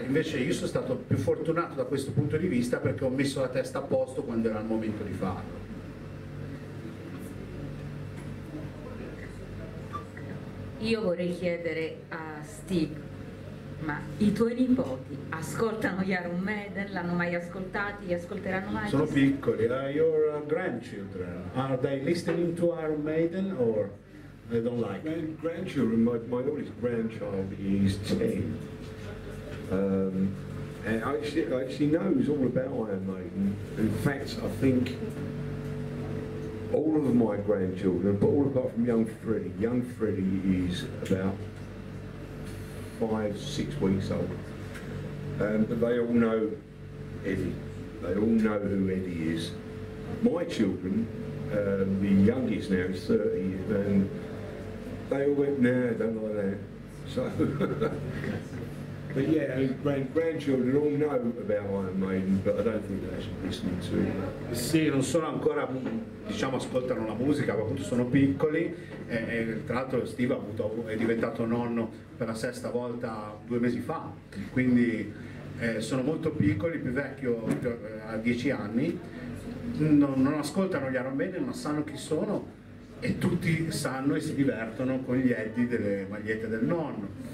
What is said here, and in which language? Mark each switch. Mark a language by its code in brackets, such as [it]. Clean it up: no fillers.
[it] Invece io sono stato più fortunato da questo punto di vista, perché ho messo la testa a posto quando era il momento di farlo. Io vorrei chiedere a Steve, ma i tuoi nipoti ascoltano Iron Maiden? L'hanno mai ascoltati? Li ascolteranno mai? Sono piccoli. [en] Your grandchildren, are they listening to Iron Maiden or they don't like it? Grandchildren, my oldest grandchild is 10. And actually knows all about Iron Maiden. In fact, I think all of my grandchildren, but all apart from young Freddie. Young Freddie is about 5-6 weeks old. But they all know Eddie. They all know who Eddie is. My children, the youngest now is 30, and they all went, nah, don't like that. So, but yeah, grandchildren all know about Iron Maiden, but I don't think they're actually listening to it. [it] Sì, non sono ancora, diciamo, ascoltano la musica, ma appunto sono piccoli. E tra l'altro Steve è diventato nonno per la sesta volta 2 mesi fa, quindi sono molto piccoli, più vecchio ha 10 anni, non ascoltano gli Iron Maiden, ma sanno chi sono, e tutti sanno e si divertono con gli Eddie delle magliette del nonno.